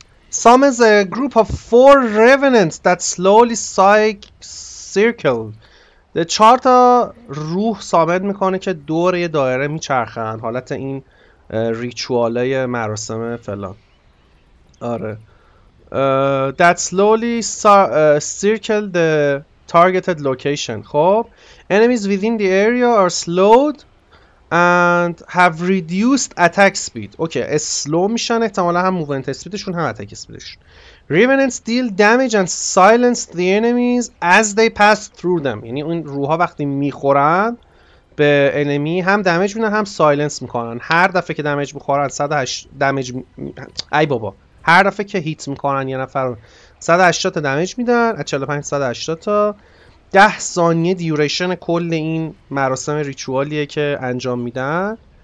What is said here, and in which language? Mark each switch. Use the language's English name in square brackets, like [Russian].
[English] Summons a group of four revenants that slowly circle [Persian] چهار تا روح ثابت میکنه که دور یه دایره میچرخن، حالت این ریچواله مراسم فلان. آره. [English] That slowly circle the targeted location. [Persian] خب [English] enemies within the area are slowed and have reduced attack speed. [Persian] اوکی اسلو میشن، احتمالا هم موومنت اسپیدشون هم اتک اسپیدشون. [English] Revenants deal damage and silence the enemies as they pass through them. [Persian] یعنی اون روحا وقتی میخورن به انمی هم دمیج میدن هم سایلنس میکنن. هر دفعه که دمیج میخورن 108 دمیج ای بابا، هر دفعه که هیت میکنن یه نفر 180 تا دمیج میدن، از 45 180 تا. 10 ثانیه دیوریشن کل این مراسم ریچوالیه که انجام میدن.